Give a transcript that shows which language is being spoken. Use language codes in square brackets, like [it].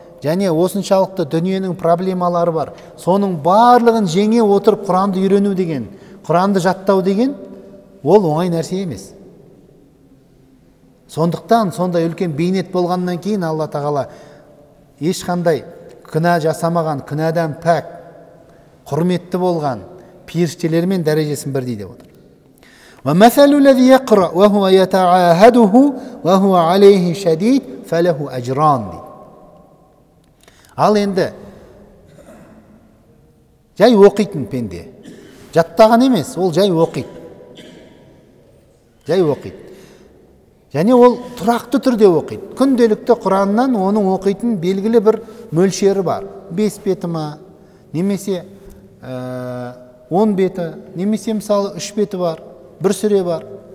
[kk] Және осыншалықты дүниенің проблемалары бар. Соның барлығын жеңе отырып Құранды үйрену деген, Құранды жаттау деген ол оңай нәрсе емес. Сондықтан сондай үлкен бейнет болғаннан кейін Алла Тағала ешқандай күнә жасамаған, күнәдан пәк, құрметті болған періштелермен дәрежесін бірдей деп отыр. [ar] وَمَثَلُ الَّذِي يَقْرَأُ وَهُوَ يَتَعَاهَدُهُ وَهُوَ عَلَيْهِ شَدِيدٌ فَلَهُ أَجْرَانِ [kk] Ал енді жай оқитын пенде. Жаттаған емес, ол жай оқиды. Жай оқиды. Және ол тұрақты түрде оқиды. Күнделікті Құраннан оның оқитын белгілі бір мөлшері бар. 5 беті ма, немесе 10 беті, немесе мысалы 3 беті бар, бір сүре бар.